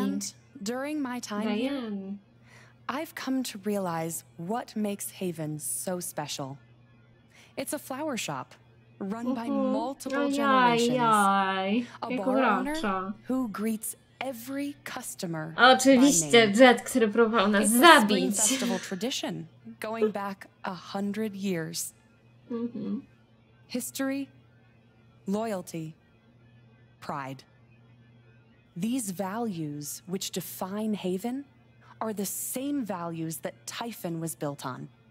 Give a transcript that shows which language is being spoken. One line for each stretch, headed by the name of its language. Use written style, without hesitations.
English: And during my time here, I've come to realize what makes Haven so special. It's a flower shop run by multiple generations. A bar owner who greets every customer.
Polish: Oczywiście, Jet, który próbował nas zabić.
English: It's a spring festival tradition going back 100 years. History, loyalty, pride. These values which define Haven are the same values that Typhon was built on.